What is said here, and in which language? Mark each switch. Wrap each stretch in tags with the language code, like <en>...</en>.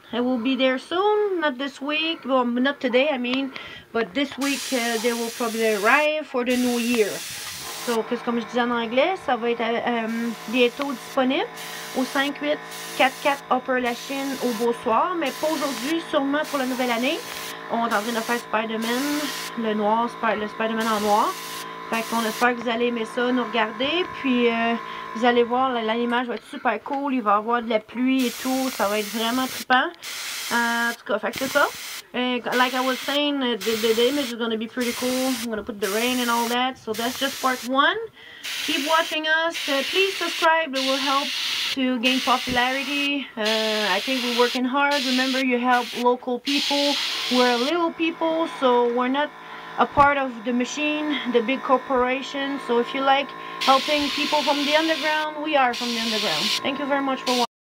<en>I will be there soon, not this week, well, not today, I mean, but this week they will probably arrive for the new year.</en> <fr>So, parce comme je disais en anglais, ça va être bientôt disponible au 5844 Upper-Lachine au beausoir, mais pas aujourd'hui, sûrement pour la nouvelle année. On est en train de faire Spider-Man, le noir, le Spider-Man en noir. Fait qu'on espère que vous allez aimer ça, nous regarder, puis vous allez voir, l'image va être super cool, il va y avoir de la pluie et tout, ça va être vraiment trippant. En tout cas, fait que c'est ça.</fr> <en>And like I was saying, the image is gonna be pretty cool, I'm gonna put the rain and all that, so that's just part one. Keep watching us, please subscribe, it will help to gain popularity. I think we're working hard, remember you help local people, we're little people, so we're not a part of the machine, the big corporation. So if you like helping people from the underground, we are from the underground. Thank you very much for watching.</en>